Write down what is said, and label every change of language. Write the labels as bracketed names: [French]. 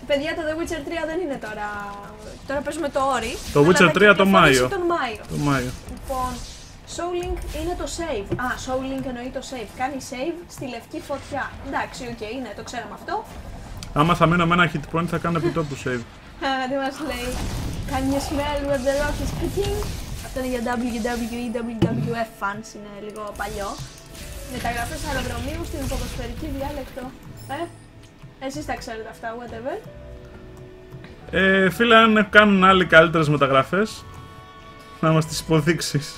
[Greek] Παιδιά, το The Witcher 3 δεν είναι τώρα. Τώρα παίζουμε το όρι. Το Witcher 3 το Μάιο. Το Μάιο. Λοιπόν, Soulink είναι το save. Α, Soulink εννοεί το save. Κάνει save στη λευκή φωτιά. Εντάξει, okay, είναι, το ξέραμε αυτό. Άμα θα μείνω με ένα hit point θα κάνω επιτόπου save. Δεν μας λέει. [English] Can you smell where the rock is cooking? [Greek] Αυτό είναι για WWE, WWF fans, είναι λίγο παλιό. Μεταγραφές αεροδρομίου στην ποδοσφαιρική διάλεκτο. Εσείς τα ξέρετε αυτά, whatever. Φίλε, αν κάνουν άλλοι καλύτερες μεταγραφές, να μας τις υποδείξεις.